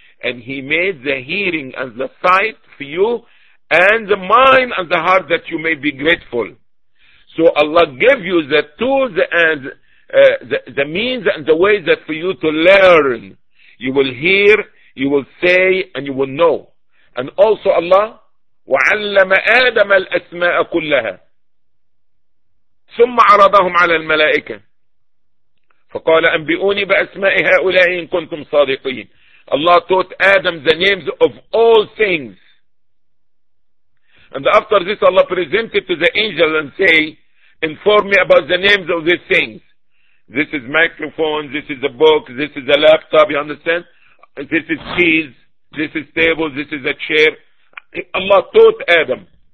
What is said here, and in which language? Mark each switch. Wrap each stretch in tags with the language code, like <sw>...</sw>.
<en>And he made the hearing and the sight for you and the mind and the heart that you may be grateful. So Allah gave you the tools and the means and the way that for you to learn. You will hear, you will say, and you will know. And also Allah,</en> <ar>وَعَلَّمَ آدَمَ الْأَسْمَاءَ كُلَّهَا ثُمَّ عَرَضَهُمْ عَلَى الْمَلَائِكَةِ فَقَالَ أَنْبِئُونِي بِأَسْمَاءِ هَؤُلَاءِ إِن كُنْتُمْ صَادِقِينَ.</ar> <en>Allah taught Adam the names of all things. And after this, Allah presented to the angel and say, inform me about the names of these things. This is microphone, this is a book, this is a laptop, you understand? This is keys, this is table, this is a chair. Allah taught Adam.</en>